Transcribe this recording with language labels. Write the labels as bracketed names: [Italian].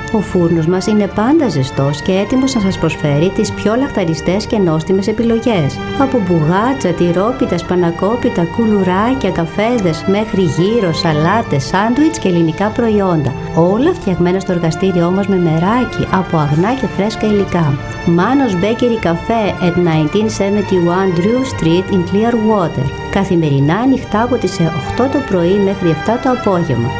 [Greek] Ο φούρνος μας είναι πάντα ζεστός και έτοιμος να σας προσφέρει τις πιο λαχταριστές και νόστιμες επιλογές. Από μπουγάτσα, τυρόπιτα, σπανακόπιτα, κουλουράκια, καφέδες, μέχρι γύρο, σαλάτες, σάντουιτς και ελληνικά προϊόντα. Όλα φτιαγμένα στο εργαστήριό μας με μεράκι, από αγνά και φρέσκα υλικά. [English] Manos Bakery Cafe at 1971 Drew Street in Clearwater. [Greek] Καθημερινά ανοιχτά από τις 8 το πρωί μέχρι 7 το απόγευμα.